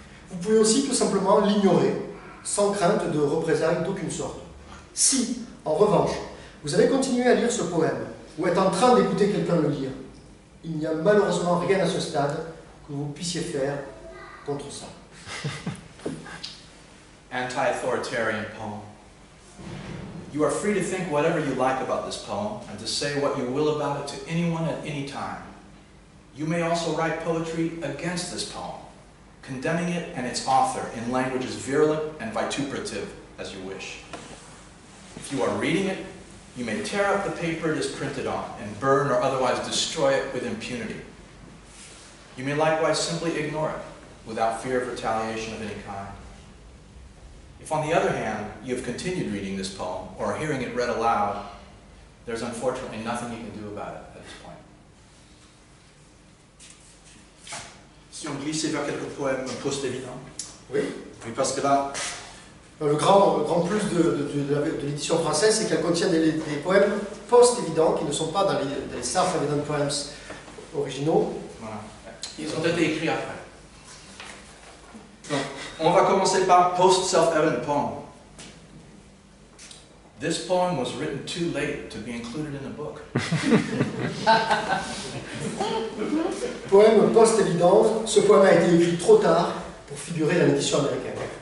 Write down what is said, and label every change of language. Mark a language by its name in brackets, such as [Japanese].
[French] Vous pouvez aussi tout simplement l'ignorer, sans crainte de représailles d'aucune sorte. Si, en revanche, vous avez continué à lire ce poème, ou êtes en train d'écouter quelqu'un le lire, il n'y a malheureusement rien à ce stade que vous puissiez faire contre ça. [English] Anti-authoritarian poem. You are free to think whatever you like about this poem and to say what you will about it to anyone at any time. You may also write poetry against this poem, condemning it and its author in language as virulent and vituperative as you wish. If you are reading it, you may tear up the paper it is printed on and burn or otherwise destroy it with impunity. You may likewise simply ignore it, without fear of retaliation of any kind. If, on the other hand, you have continued reading this poem, or are hearing it read aloud, there's unfortunately nothing you can do about it at this point. [French] Si on glissait vers quelques poèmes post-évidents. Oui. Oui, parce que là... Le grand plus de l'édition française, c'est qu'elle contient des poèmes post-évidents, qui ne sont pas dans les self-evident poems originaux. Voilà. Ils ont été écrits après. Donc, on va commencer par post-self-evident poem. [English] This poem was written too late to be included in the book. [French] Poème post-évident, ce poème a été écrit trop tard pour figurer dans l'édition américaine.